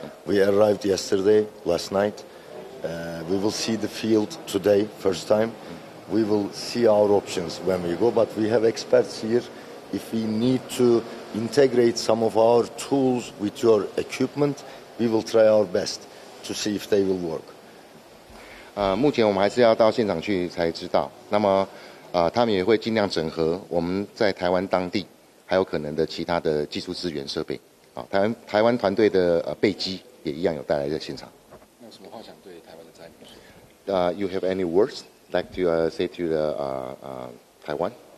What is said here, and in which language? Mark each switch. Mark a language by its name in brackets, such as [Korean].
[English] We arrived yesterday, last night. We will see the field today, first time. We will see our options when we go, but we have experts here. If we need to integrate some of our tools with your equipment, we will try our best to see if they will work. [Chinese] 目前我们还是要到现场去才知道。那么，他们也会尽量整合我们在台湾当地还有可能的其他的技术资源设备。啊，台湾团队的备机也一样有带来在现场。那有什么话想对台湾的灾民说？ [English] You have any words like to say to the Taiwan?